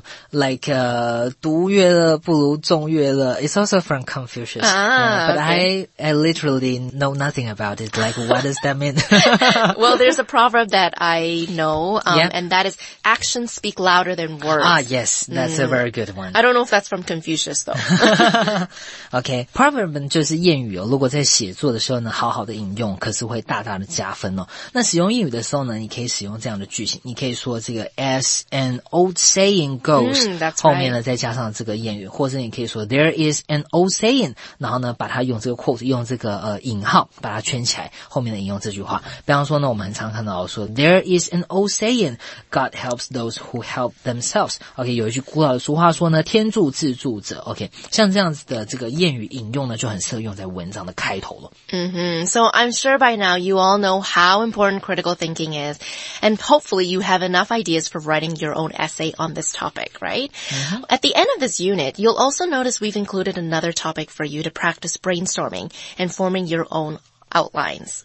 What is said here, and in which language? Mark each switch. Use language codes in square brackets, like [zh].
[zh] like 读月乐不如众月乐. [en] It's also from Confucius. Ah, yeah, but okay. I literally know nothing about it. Like, what does that mean? Well, there's a proverb that I know, And that is actions speak louder than words. Ah, yes, that's a very good one. I don't know if that's from Confucius, though. [zh] Okay, proverb 就是谚语哦。如果在写作的时候呢，好好的引用，可是会大大的加分哦。那使用谚语的时候呢，你可以使用这样的句型，你可以说这个 [en] as an old saying goes， [zh] 后面呢再加上这个谚语，或者你可以说 [en] there is an old saying， [zh] 然后呢把它用这个 quote， 用这个引号把它圈起来，后面呢引用这句话。比方说呢，我们很常看到说 [en] there is an old saying， God helps those who help themselves。 [zh] OK， 有一句古老的俗话说呢，天助自助者。OK， 像这样子的这个谚语引用呢，就很适合用在文章的开头了。 [en] So I'm sure by now you all know how important critical thinking is. And hopefully you have enough ideas for writing your own essay on this topic, right? Mm-hmm. At the end of this unit, you'll also notice we've included another topic for you to practice brainstorming and forming your own outlines.